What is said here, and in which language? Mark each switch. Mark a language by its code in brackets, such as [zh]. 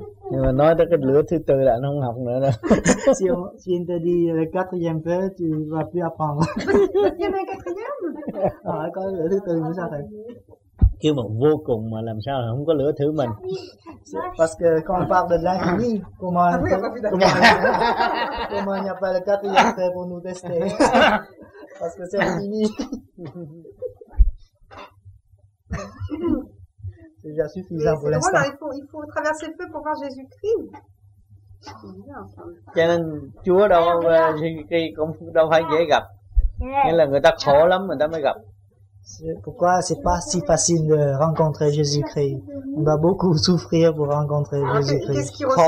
[vi] Nhưng mà nói tới cái lửa thứ tư là nó không học nữa đâu. [fr] Si on te dit le quatrième feu, tu vas plus apprendre. Il y a un quatrième. [vi] Có lửa thứ tư mới sao thầy? Kêu mà vô cùng mà làm sao không có lửa thử mình. [fr] Parce que quand on parle de l'infini, comment il n'y a pas le quatrième feu pour nous tester? Parce que c'est infini. C'est déjà suffisant pour l'instant. Mais c'est drôle, il faut traverser le feu pour voir Jésus-Christ. [vi] Cho nên Chúa đâu phải dễ gặp. Nghĩa là người ta khổ lắm người ta mới gặp. [fr] Pourquoi c'est pas si facile de rencontrer Jésus-Christ? On doit beaucoup souffrir pour rencontrer Jésus-Christ.